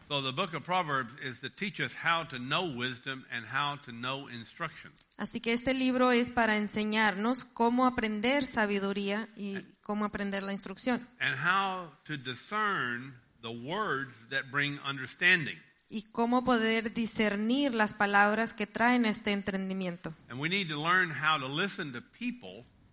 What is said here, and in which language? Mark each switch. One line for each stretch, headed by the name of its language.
English: So the book of Proverbs is to teach us how to know wisdom and how to know instruction.
Spanish: Así que este libro es para enseñarnos cómo aprender sabiduría y cómo aprender la instrucción.
English: And how to discern the words that bring understanding.
Spanish: Y cómo poder discernir las palabras que traen este entendimiento.
English: And we need to learn how to listen to people.